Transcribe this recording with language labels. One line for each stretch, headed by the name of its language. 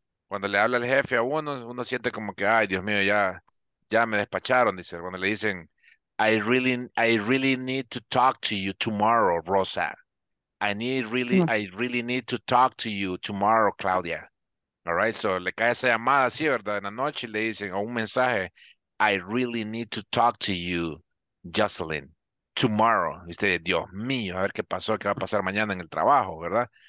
Spanish: Cuando le habla el jefe a uno, uno siente como que, ay, Dios mío, ya me despacharon, dice. Cuando le dicen,
English: I really need to talk to you tomorrow, Rosa. I really need to talk to you tomorrow, Claudia.
Spanish: All right, so le cae esa llamada así, ¿verdad? En la noche le dicen, o un mensaje,
English: I really need to talk to you,
Spanish: Jocelyn, tomorrow. Y usted, Dios mío, a ver qué pasó, qué va a pasar mañana en el trabajo, ¿verdad?